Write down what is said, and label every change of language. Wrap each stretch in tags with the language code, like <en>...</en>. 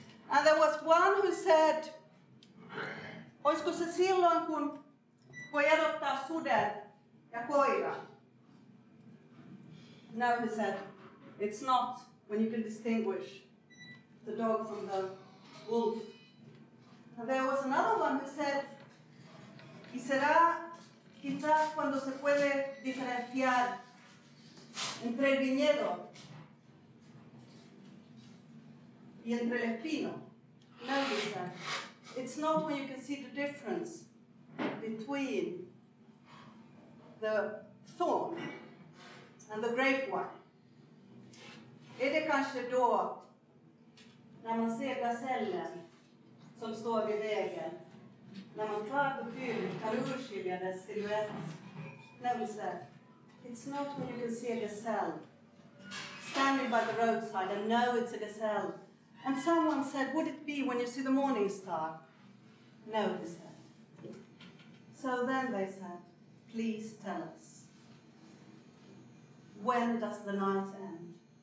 <en>And there was one who said,</en> <fi>olisiko se silloin, kun voi erottaa suden ja koira?</fi> <en>No, he said, it's not when you can distinguish the dog from the wolf. And there was another one who said,</en> <es>y será quizás cuando se puede diferenciar entre el viñedo y entre el espino.</es> <en>No, he said, it's not when you can see the difference between the thorn and the grape wine.</en> <sv>Är det kanske då när man ser gasellen som står vid vägen, när man tar på kul, kan urskilja dess silhuett?</sv> <en>Let me say, it's not when you can see a gazelle standing by the roadside and know it's a gazelle. And someone said, would it be when you see the morning star? No, they said. So then they said, please tell us, when does the night end?</en>